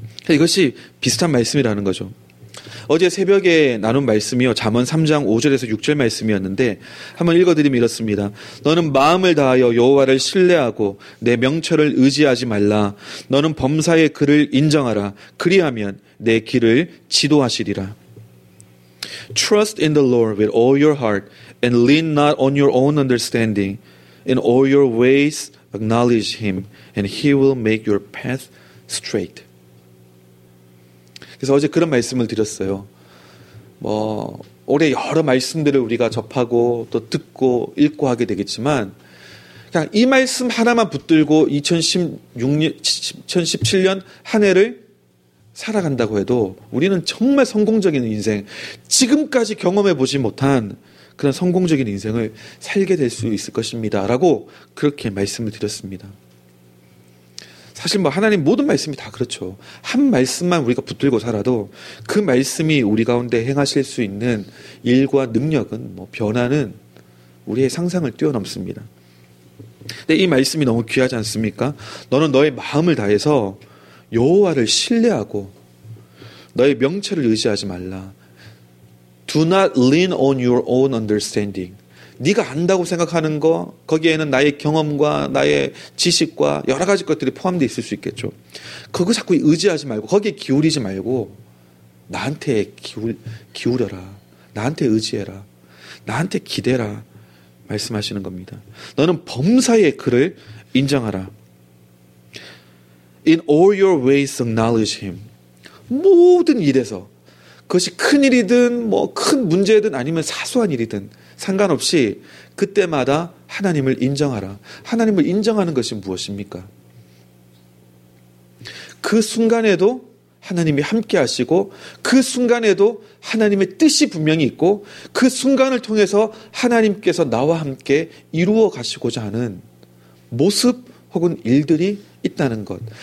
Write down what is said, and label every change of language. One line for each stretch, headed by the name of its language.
Korean: 이것이 비슷한 말씀이라는 거죠. 어제 새벽에 나눈 말씀이요. 잠언 3장 5절에서 6절 말씀이었는데 한번 읽어드리면 이렇습니다. 너는 마음을 다하여 여호와를 신뢰하고 내 명철을 의지하지 말라. 너는 범사에 그를 인정하라. 그리하면 내 길을 지도하시리라.
English: Trust in the Lord with all your heart and lean not on your own understanding. In all your ways acknowledge him and he will make your path straight.
Korean: 그래서 어제 그런 말씀을 드렸어요. 뭐 올해 여러 말씀들을 우리가 접하고 또 듣고 읽고 하게 되겠지만 그냥 이 말씀 하나만 붙들고 2016년, 2017년 한 해를 살아간다고 해도 우리는 정말 성공적인 인생, 지금까지 경험해보지 못한 그런 성공적인 인생을 살게 될 수 있을 것입니다. 라고 그렇게 말씀을 드렸습니다. 사실 뭐 하나님 모든 말씀이 다 그렇죠. 한 말씀만 우리가 붙들고 살아도 그 말씀이 우리 가운데 행하실 수 있는 일과 능력은 뭐 변화는 우리의 상상을 뛰어넘습니다. 근데 이 말씀이 너무 귀하지 않습니까? 너는 너의 마음을 다해서 여호와를 신뢰하고 너의 명철을 의지하지 말라.
English: Do not lean on your own understanding.
Korean: 네가 안다고 생각하는 거 거기에는 나의 경험과 나의 지식과 여러 가지 것들이 포함되어 있을 수 있겠죠. 그거 자꾸 의지하지 말고 거기에 기울이지 말고 나한테 기울여라. 나한테 의지해라. 나한테 기대라. 말씀하시는 겁니다. 너는 범사에 그를 인정하라.
English: In all your ways acknowledge him.
Korean: 모든 일에서 그것이 큰 일이든 뭐 큰 문제든 아니면 사소한 일이든 상관없이 그때마다 하나님을 인정하라. 하나님을 인정하는 것이 무엇입니까? 그 순간에도 하나님이 함께 하시고 그 순간에도 하나님의 뜻이 분명히 있고 그 순간을 통해서 하나님께서 나와 함께 이루어 가시고자 하는 모습 혹은 일들이 있다는 것.